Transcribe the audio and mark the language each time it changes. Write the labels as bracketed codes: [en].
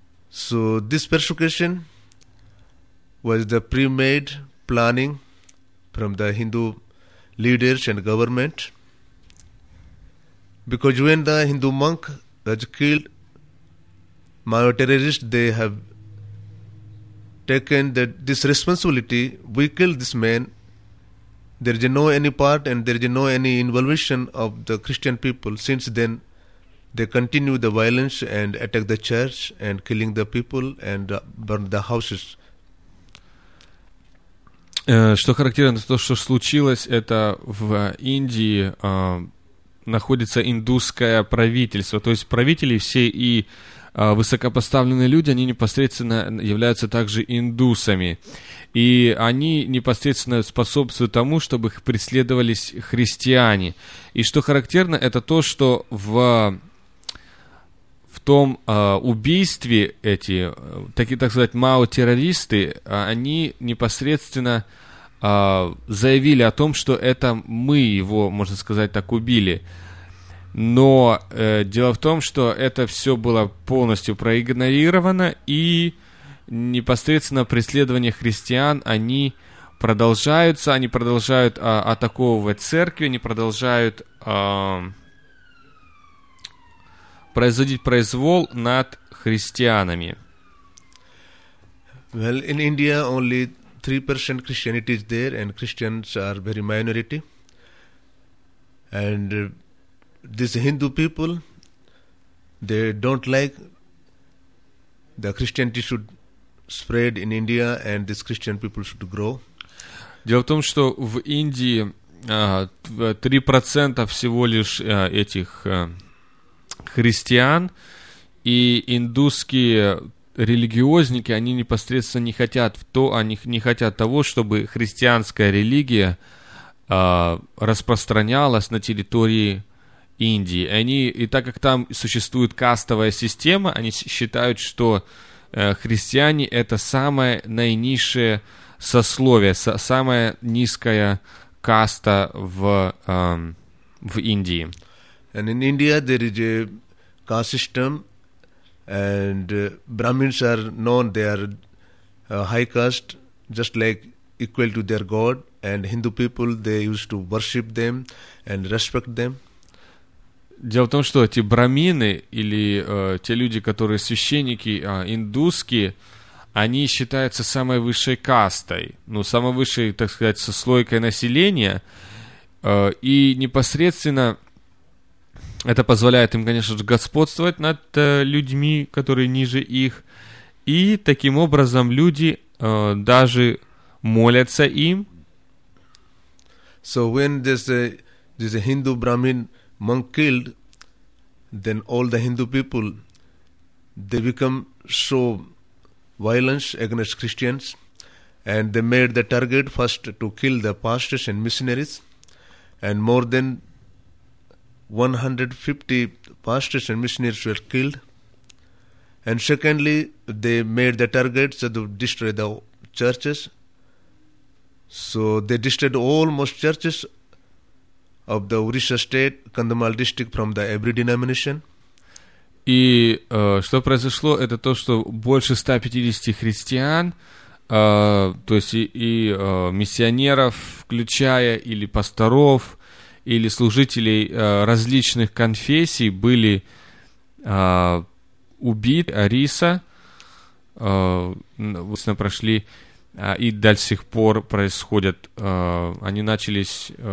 [en] So, this persecution was the pre-made planning from the Hindu leaders and government, because when the Hindu monk was killed, Mao terrorists, they have taken this responsibility. We killed this man, there is no any part and there is no any involvement of the Christian people. Since then, they continue the violence and attack the church and killing the people and burn the houses. [ru] Что характерно, то, что случилось, это в Индии находится индусское правительство, то есть правители все и высокопоставленные люди, они непосредственно являются также индусами, и они непосредственно способствуют тому, чтобы их преследовались христиане. И что характерно, это то, что в том убийстве эти, такие, так сказать, мао-террористы, они непосредственно заявили о том, что это мы его, можно сказать, так убили. Но дело в том, что это все было полностью проигнорировано, и непосредственно преследования христиан, они продолжаются, они продолжают атаковывать церкви, они продолжают производить произвол над христианами. [en] Well, in India only 3% Christianity is there, and Christians are very minority. And these Hindu people, they don't like the Christianity should spread in India, and these Christian people should grow. [ru] Дело в том, что в Индии 3% всего лишь этих христиан, и индусские религиозники, они непосредственно не хотят того, чтобы христианская религия распространялась на территории Индии. Они, и так как там существует кастовая система, они считают, что христиане — это самое наинизшее сословие, самая низкая каста в Индии. [en] And in India there is a caste system, and Brahmins are known, they are high caste, just like equal to their god, and Hindu people, they used to worship them and respect them. [ru] Дело в том, что эти брамины, или те люди, которые священники индусские, они считаются самой высшей кастой, ну, самой высшей, так сказать, сослойкой населения, и непосредственно это позволяет им, конечно же, господствовать над людьми, которые ниже их, и таким образом люди даже молятся им. [en] So when this Hindu Brahmin monk killed, then all the Hindu people, they become so violence against Christians, and they made the target first to kill the pastors and missionaries, and more than 150 pastors and missionaries were killed, and secondly they made the target to destroy the churches, so they destroyed almost churches of the Orissa state, Kandamal district, from the every denomination. [ru] И что произошло, это то, что больше 150 христиан, то есть и миссионеров, включая, или пасторов, или служителей различных конфессий, были убиты, Ориса, собственно, прошли, и до сих пор происходят, они начались...